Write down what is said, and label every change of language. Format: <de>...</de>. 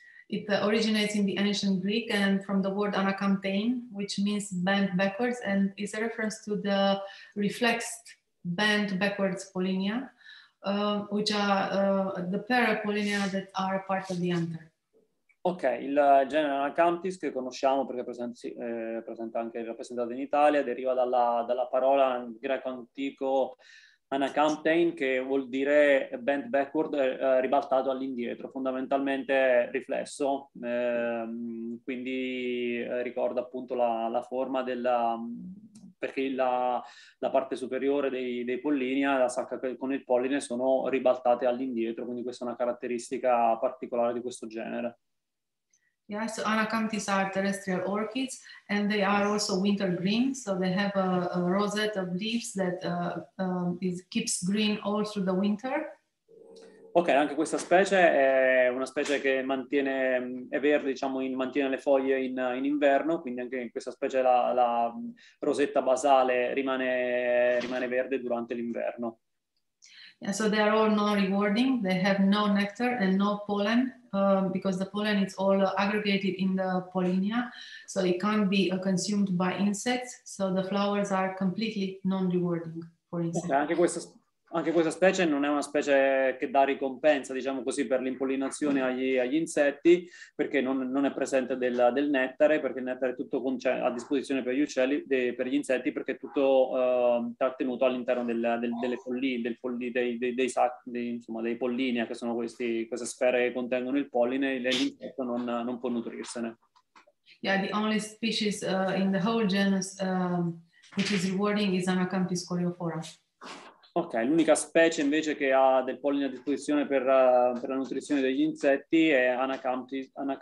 <en>It originates in the ancient Greek and from the word anacanthein, which means bent backwards, and is a reference to the reflexed bent backwards pollinia, which are the pair of pollinia that are part of the anther.</en> <it>Ok, il genere Anacanthus che conosciamo perché presenta anche rappresentato in Italia deriva dalla parola in greco antico anacanthein, che vuol dire</it> <en>bent backward,</en> <it>ribaltato all'indietro, fondamentalmente riflesso, quindi ricorda appunto la forma della, perché la parte superiore dei pollini, la sacca con il polline, sono ribaltate all'indietro, quindi questa è una caratteristica particolare di questo genere.</it> <en>Yeah, so Anacanthus are terrestrial orchids and they are also wintergreen, so they have a rosette of leaves that keeps green all through the winter.</en> <it>Ok, anche questa specie è una specie che mantiene, è verde, diciamo, mantiene le foglie in inverno, quindi anche in questa specie la rosetta basale rimane verde durante l'inverno.</it> <en>Yeah, so they are all non-rewarding, they have no nectar and no pollen, because the pollen is all aggregated in the pollinia, so it can't be consumed by insects, so the flowers are completely non-rewarding for insects.</en> <it>Okay, anche questa specie non è una specie che dà ricompensa, diciamo così, per l'impollinazione agli insetti, perché non è presente del nettare, perché il nettare è tutto a disposizione per gli uccelli, per gli insetti, perché è tutto trattenuto all'interno dei pollinia, che sono queste sfere che contengono il polline, e l'insetto non può nutrirsene.</it> <en>Yeah, the only species in the whole genus which is rewarding is Anacanthus coleophora.</en> <it>Ok, l'unica specie invece che ha del polline a disposizione per la nutrizione degli insetti è Anacanthus,</it>